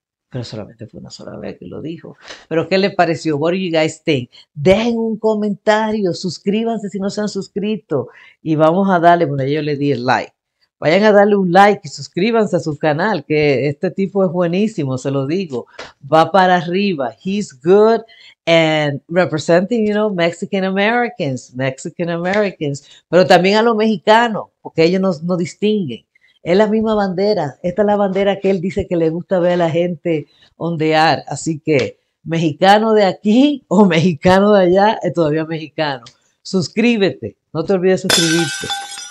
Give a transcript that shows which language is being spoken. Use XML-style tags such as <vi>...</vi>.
<es>Pero solamente fue una sola vez que lo dijo. ¿Pero qué le pareció?</es> <en>What do you guys think?</en> <es>Dejen un comentario. Suscríbanse si no se han suscrito. Y vamos a darle, bueno, yo le di el like. Vayan a darle un like y suscríbanse a su canal, que este tipo es buenísimo, se lo digo. Va para arriba.</es> <en>He's good and representing, you know, Mexican Americans.</en> <es>Pero también a los mexicanos, porque ellos no distinguen. Es la misma bandera. Esta es la bandera que él dice que le gusta ver a la gente ondear. Así que, mexicano de aquí o mexicano de allá, es todavía mexicano. Suscríbete. No te olvides de suscribirte.</es>